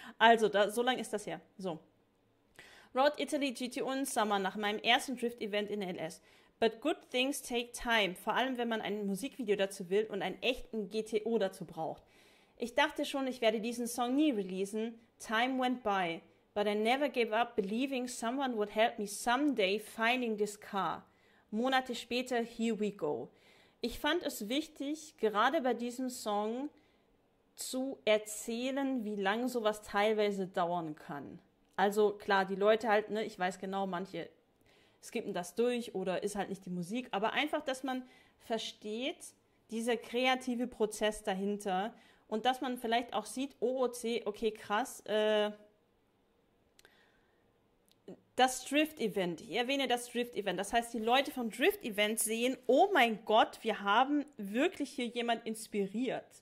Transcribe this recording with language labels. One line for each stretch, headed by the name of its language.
German: Also, da, so lange ist das her. So. Road Italy GTO in Summer nach meinem ersten Drift-Event in LS.
English: But good things take time,
German: vor allem wenn man ein Musikvideo dazu will und einen echten GTO dazu braucht. Ich dachte schon, ich werde diesen Song nie releasen.
English: Time went by, but I never gave up believing someone would help me someday finding this car.
German: Monate später,
English: here we go.
German: Ich fand es wichtig, gerade bei diesem Song zu erzählen, wie lange sowas teilweise dauern kann. Also klar, die Leute halt, ne, ich weiß genau, manche skippen das durch oder ist halt nicht die Musik, aber einfach, dass man versteht, dieser kreative Prozess dahinter und dass man vielleicht auch sieht, OOC, okay, krass, das Drift-Event, ich erwähne das Drift-Event, das heißt, die Leute vom Drift-Event sehen, oh mein Gott, wir haben wirklich hier jemand inspiriert.